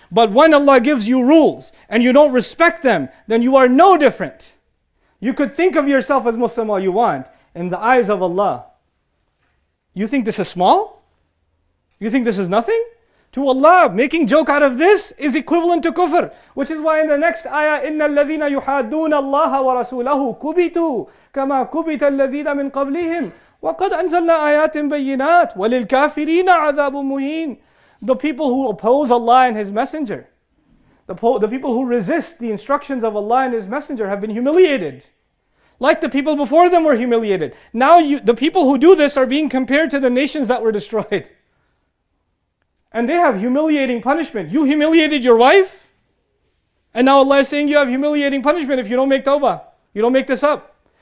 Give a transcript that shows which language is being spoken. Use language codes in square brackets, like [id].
[en] But when Allah gives you rules and you don't respect them, then you are no different. You could think of yourself as Muslim all you want. In the eyes of Allah, you think this is small? You think this is nothing? To Allah, making joke out of this is equivalent to kufr. Which is why in the next ayah, [ar] إِنَّ الَّذِينَ يُحَادُّونَ اللَّهَ وَرَسُولَهُ كُبِتُوا كَمَا كُبِتَ الَّذِينَ مِنْ قَبْلِهِمْ وَقَدْ أَنزَلْنَا آيَاتٍ بَيِّنَاتٍ وَلِلْكَافِرِينَ عَذَابٌ مُهِينٌ. [en] The people who oppose Allah and His Messenger, the people who resist the instructions of Allah and His Messenger have been humiliated. Like the people before them were humiliated. Now the people who do this are being compared to the nations that were destroyed. And they have humiliating punishment. You humiliated your wife, and now Allah is saying you have humiliating punishment if you don't make tawbah. You don't make this up.